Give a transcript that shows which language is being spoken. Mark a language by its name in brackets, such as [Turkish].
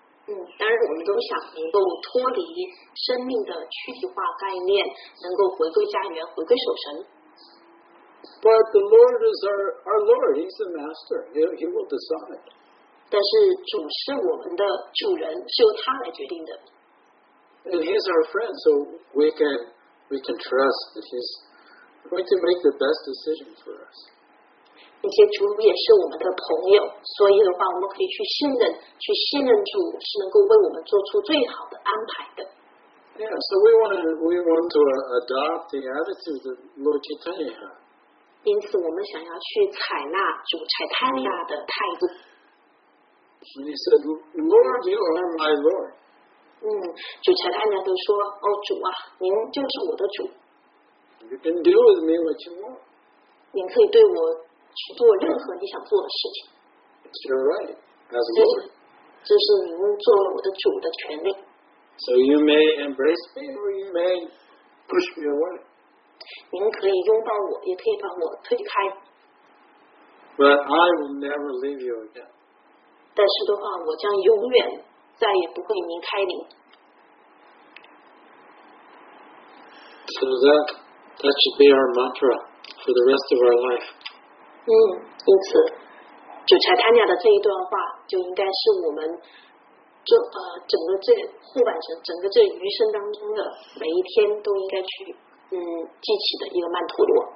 [Chinese] 当然我们都想能够脱离生命的躯体化概念，能够回归家园，回归守神。 [English] But the Lord is our Lord. He's the master. He will decide. [Chinese] 但是主是我们的主人，是由他来决定的。 [English] And he's our friend, so we can trust that he's going to make the best decision for us. [Chinese] 并且主也是我们的朋友，所以的话，我们可以去信任，去信任主是能够为我们做出最好的安排的。 [English] Yeah, so we want to adopt the attitude that Lord Chaitanya had. [Chinese] 因此，我们想要去采纳主柴坦亚的态度。 [English] When he said, "Lord, you are my Lord." [Chinese] 主柴坦亚都说，哦，主啊，您就是我的主。 [English] You can do with me what you want. [Chinese] 您可以对我。去做任何你想做的事情。 [English] You're right. As a Lord. [Chinese] 这是您做了我的主的权利。 [English] So you may embrace me or you may push me away. [Chinese] 您可以拥抱我，也可以把我推开。 [English] But I will never leave you again. [Chinese] 但是的话，我将永远再也不会离开你。 [English] So that should be our mantra for the rest of our life. [Chinese] 因此，主柴坦亚的这一段话就应该是我们整个这后半生、整个这余生当中的每一天都应该去记起的一个曼陀罗。